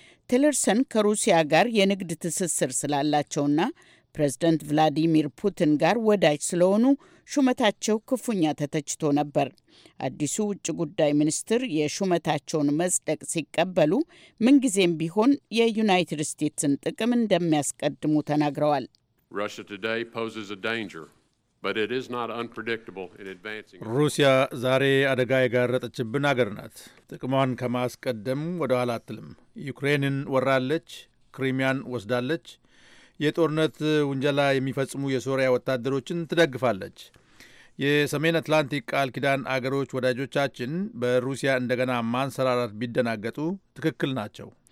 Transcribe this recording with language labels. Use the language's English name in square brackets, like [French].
[Amharic] ቴለርሰን ከሩሲያ ጋር የንግድ ትስስር ስላላቸውና ፕሬዝደንት ቭላዲሚር ፑቲን ጋር ወዳጅ ስለሆኑ ሹመታቸው ክፉኛ ተተችቶ ነበር። አዲሱ ውጭ ጉዳይ ሚኒስትር የሹመታቸውን መጽደቅ ሲቀበሉ ምንጊዜም ቢሆን የዩናይትድ ስቴትስን ጥቅም እንደሚያስቀድሙ ተናግረዋል። ሩሲያ ዛሬ [English] poses a danger. But it is not unpredictable in advancing. [Amharic] ሩሲያ ዛሬ አደጋ የጋረጠችብን አገር ናት። ጥቅሟን ከማስቀደም ወደ ኋላ አትልም። ዩክሬንን ወራለች፣ ክሪሚያን ወስዳለች፣ የጦርነት ወንጀላ የሚፈጽሙ የሶሪያ ወታደሮችን ትደግፋለች። የሰሜን አትላንቲክ ቃል ኪዳን አገሮች ወዳጆቻችን በሩሲያ እንደገና ማንሰራራት ቢደናገጡ ትክክል ናቸው።